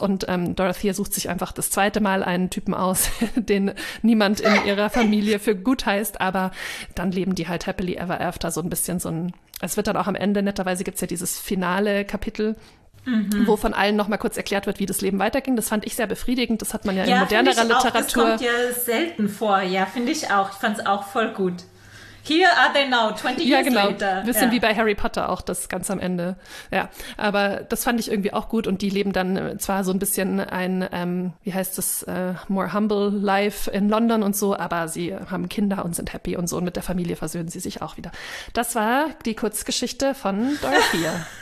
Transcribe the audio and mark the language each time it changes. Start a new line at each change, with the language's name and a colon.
German: Und Dorothea sucht sich einfach das zweite Mal einen Typen aus, den niemand in ihrer Familie für gut heißt, aber dann leben die halt happily ever after, so ein bisschen so ein, es wird dann auch am Ende, netterweise gibt's ja dieses finale Kapitel, wo von allen nochmal kurz erklärt wird, wie das Leben weiterging. Das fand ich sehr befriedigend, das hat man ja in modernerer Literatur. Ja, das kommt ja selten vor, finde ich auch. Ich fand's auch voll gut.
English: Here are they now, 20 years later.
German: Ein bisschen wie bei Harry Potter auch, das ganz am Ende. Ja, aber das fand ich irgendwie auch gut. Und die leben dann zwar so ein bisschen ein, more humble life in London und so, aber sie haben Kinder und sind happy und so. Und mit der Familie versöhnen sie sich auch wieder. Das war die Kurzgeschichte von Dorothea.